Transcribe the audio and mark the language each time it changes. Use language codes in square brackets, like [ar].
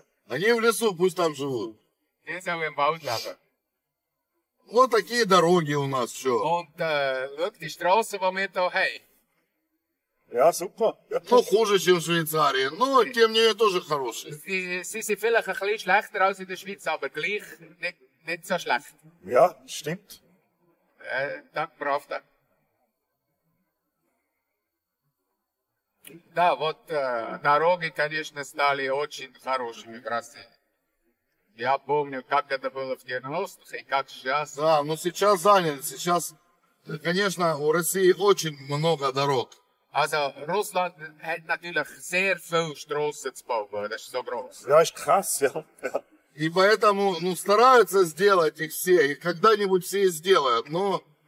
[ru] Они в лесу, пусть там живут. [de] Ist auch im Wald, aber. [ru] Вот такие дороги у нас все. [de] Und look, die Straße, die wir hier haben. Ja, super. [ru] Ну, хуже, чем в Швейцарии. Но, тем не менее, тоже хорошие. [de] Sie sind vielleicht ein bisschen schlechter als in der Schweiz, aber gleich nicht so schlecht. Ja, stimmt. Danke, Pravda. [ru] Да, вот дороги, конечно, стали очень хорошими в России. Я помню, как это было в 90-х и как сейчас. Да, но сейчас заняты. Сейчас, конечно, у России очень много дорог. [de] Also, Russland hat natürlich sehr viel Strasse zu bauen. Das ist so groß. Ja, ist krass, ja. [ru] И поэтому, ну, стараются сделать их все, и когда-нибудь все сделают, но...